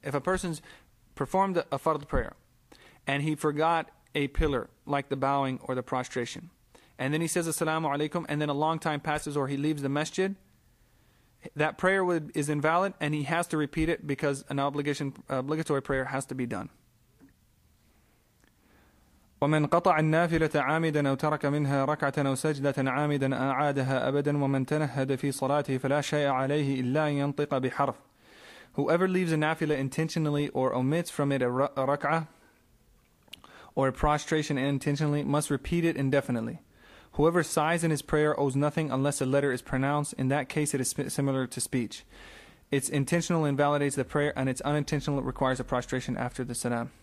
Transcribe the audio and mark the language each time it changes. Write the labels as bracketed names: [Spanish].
[English] If a person's performed a fard prayer and he forgot a pillar, like the bowing or the prostration, and then he says assalamu alaikum, and then a long time passes or he leaves the masjid, that prayer is invalid and he has to repeat it, because an obligatory prayer has to be done. [Arabic] ومن قطع النافلة عامدا أو ترك منها ركعة أو سجدة عامدا أعادها أبدا ومن تنهد في صلاته فلا شيء عليه إلا ينطق بحرف. [English] Whoever leaves a nafila intentionally or omits from it a rak'a or a prostration intentionally must repeat it indefinitely. Whoever sighs in his prayer owes nothing unless a letter is pronounced. In that case, it is similar to speech. It's intentional invalidates the prayer, and it's unintentional requires a prostration after the salam.